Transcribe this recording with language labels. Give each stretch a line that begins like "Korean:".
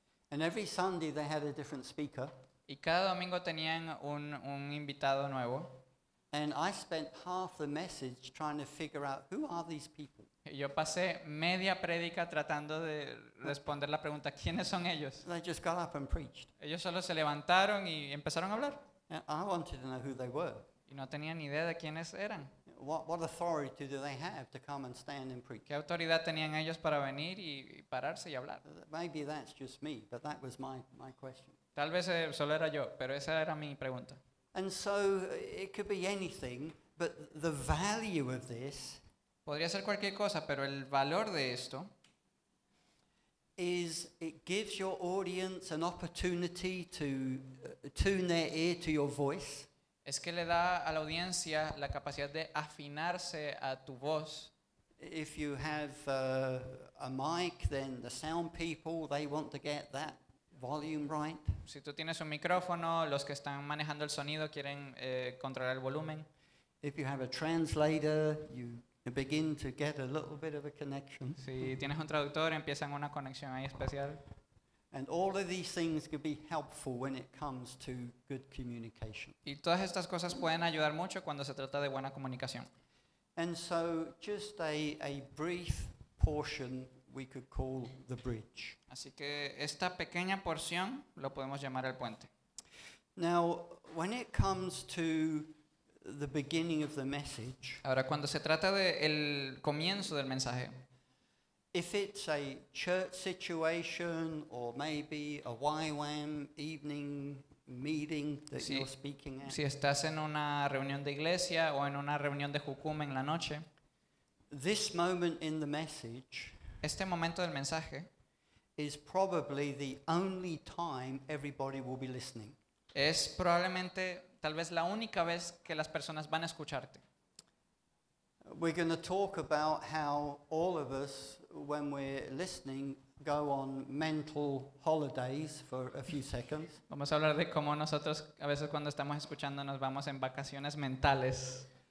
English: And every Sunday they had a different speaker.
Spanish: Y cada domingo tenían un invitado nuevo.
English: And I spent half the message trying to figure out who are these people.
Spanish: Yo pasé media prédica tratando de responder la pregunta, ¿quiénes son ellos?
English: They just got up and preached.
Spanish: Ellos solo se levantaron y empezaron a hablar.
English: I wanted to know who they were.
Spanish: Y no tenían ni idea de quiénes eran.
English: What authority do they have to come and stand and preach?
Spanish: ¿Qué autoridad tenían ellos para venir y pararse y hablar?
English: Maybe that's just me, but that was my question.
Spanish: Tal vez solo era yo, pero esa era mi pregunta.
English: And so it could be anything, but the value of this.
Spanish: Podría ser cualquier cosa, pero el valor de esto
English: is it gives your audience an opportunity to tune their ear to your voice.
Spanish: Es que le da a la audiencia la capacidad de afinarse a tu voz.
English: If you have a mic, then the sound people, they want to get that volume right.
Spanish: Si tú tienes un micrófono, los que están manejando el sonido quieren controlar el volumen.
English: If you have a translator, you begin to get a little bit of a connection.
Spanish: Si tienes un traductor, empiezan una conexión ahí especial.
English: And all of these things can be helpful when it comes to good communication.
Spanish: Y todas estas cosas pueden ayudar mucho cuando se trata de buena comunicación.
English: And so just a brief portion we could call the bridge.
Spanish: Así que esta pequeña porción lo podemos llamar el puente.
English: Now, when it comes to the beginning of the message.
Spanish: Ahora, cuando se trata del comienzo del mensaje.
English: If it's a church situation or maybe a YWAM evening meeting that
Spanish: si,
English: you're speaking at.
Spanish: Si estás en una reunión de iglesia o en una reunión de Jukum en la noche.
English: This moment in the message.
Spanish: Este momento del mensaje.
English: Is probably the only time everybody will be listening.
Spanish: Es probablemente tal vez la única vez que las personas van a escucharte.
English: We're going to talk about how all of us, when we're listening, go on mental holidays for a few seconds.
Spanish: Vamos a hablar de cómo nosotros a veces cuando estamos escuchando nos vamos en vacaciones mentales.